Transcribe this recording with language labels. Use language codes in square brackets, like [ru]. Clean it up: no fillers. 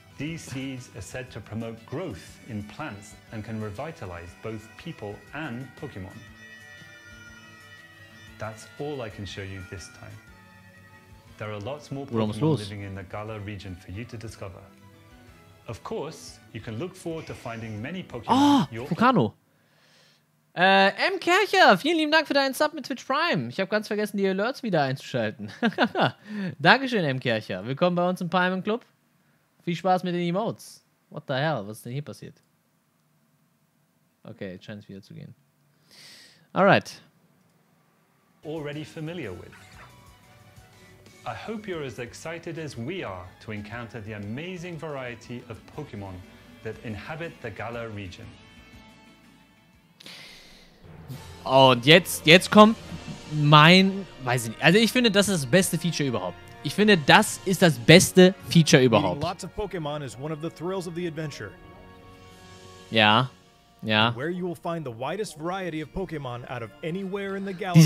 [en] These seeds are said to promote growth in plants and can revitalize both people and Pokémon. That's all I can show you this time. There are lots more Pokémon living in the Galar region for you to discover. Of course, you can look forward to finding many Pokémon. [de] Oh, Fukano. M. Kercher, vielen lieben Dank für deinen Sub mit Twitch Prime. Ich habe ganz vergessen, die Alerts wieder einzuschalten. Dankeschön, M. Kercher. Willkommen bei uns im Palmen Club. Viel Spaß mit den Emotes. [en] What the hell? [de] Was ist denn hier passiert? Okay, jetzt scheint es wieder zu gehen. Alright. [en] Already familiar with. I hope you're as excited as we are to encounter the amazing variety of Pokémon that inhabit the Galar region. [de] Und jetzt kommt mein, weiß ich nicht, also ich finde, das ist das beste Feature überhaupt. Ich finde, das ist das beste Feature überhaupt. [en] Meeting lots of Pokémon is one of the thrills of the adventure. [de] Ja. Ja. [en] Where you will find the widest variety of Pokémon out of anywhere in the galaxy.